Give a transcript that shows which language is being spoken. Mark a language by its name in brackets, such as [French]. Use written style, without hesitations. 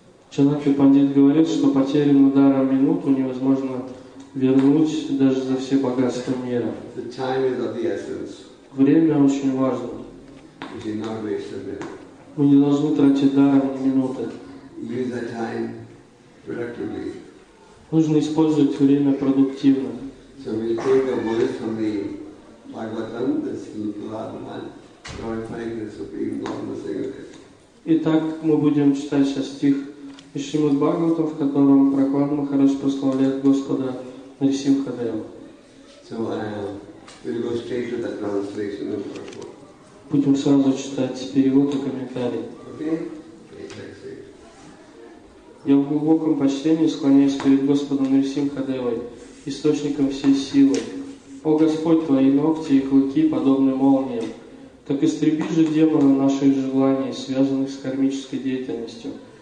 [Russian] Чанакья Пандит говорит, что потерян ударом минуту невозможно вернуть даже за все богатства мира. [English] The time is of the essence. [Russian] Время очень важно. [English] We should not waste a minute. [Russian] Мы не должны тратить даром ни минуты. [English] Use the time productively. [Russian] Нужно использовать время продуктивно. [English] So we take a word from the Bhagavatam, this Lord, glorifying the Supreme Lord and sing it. [Russian] Итак, мы будем читать сейчас стих из Шримад Бхагаватам, в котором Прохлад Махарадж прославляет Господа Нарисимхадева. [English] So, we'll go straight to the translation of Prabhupada. [Russian] Будем сразу читать перевод и комментарий. [English] Okay. [Russian] Я в глубоком почтении склоняюсь перед Господом Нарисимхадевой, источником всей силы. О Господь, твои ногти и клыки подобны молниям. Так истреби же демона наших желаний, связанных с кармической деятельностью.